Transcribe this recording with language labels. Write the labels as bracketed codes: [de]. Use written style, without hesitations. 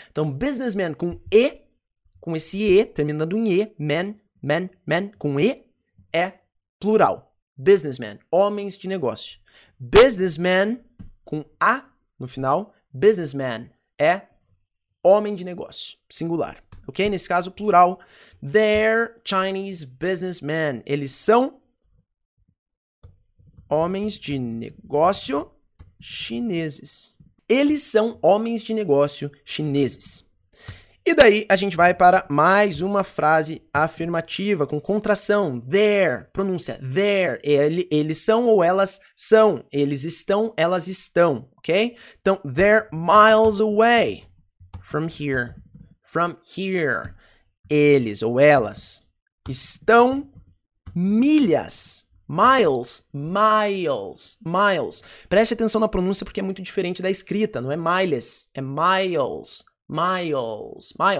[pt] Então, businessman com E, com esse E, terminando em E, man, com E, é plural. Businessman, homens de negócio. Businessman com A no final, businessman é homem de negócio, singular. Ok? Nesse caso, plural. [en] They're Chinese businessmen. [pt] Eles são homens de negócio chineses. Eles são homens de negócio chineses. E daí a gente vai para mais uma frase afirmativa com contração. They're, pronúncia they're. Eles são ou elas são. Eles estão, elas estão. Ok? Então, [en] they're miles away from here. From here. [pt] Eles ou elas estão milhas. Miles. Preste atenção na pronúncia porque é muito diferente da escrita. Não é miles, é miles. Miles.